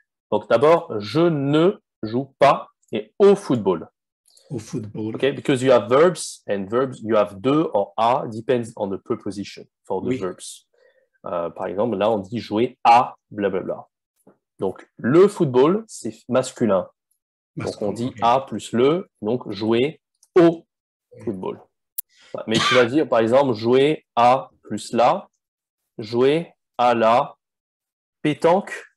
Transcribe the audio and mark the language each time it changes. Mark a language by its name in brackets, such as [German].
[French] Donc d'abord, je ne joue pas et au football. Au football. [English] Okay, because you have verbs and verbs, you have de or a, depends on the preposition for the verbs. [French] Par exemple, là, on dit jouer à blablabla. Donc, le football, c'est masculin. Donc, on dit à plus le, donc jouer au football. Mais tu vas dire, par exemple, jouer à plus la, jouer à la pétanque.